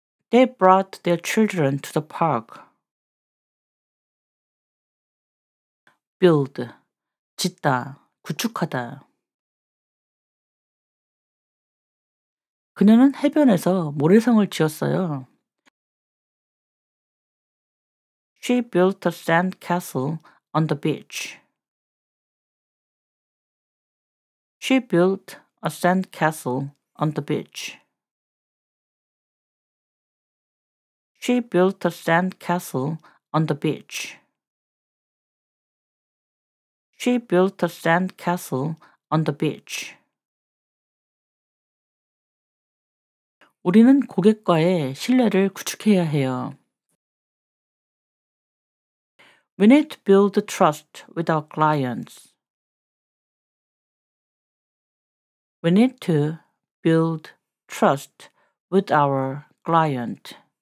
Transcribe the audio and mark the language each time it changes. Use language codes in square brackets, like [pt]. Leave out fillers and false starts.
[en] They brought their children to the park. [ko] Build, 짓다, 구축하다. 그녀는 해변에서 모래성을 지었어요. [en] She built a sand castle on the beach. She built a sand castle on the beach. She built a sand castle on the beach. She built a sand castle on the beach. [ko] 우리는 고객과의 신뢰를 구축해야 해요. [en] We need to build trust with our clients. We need to build trust with our client.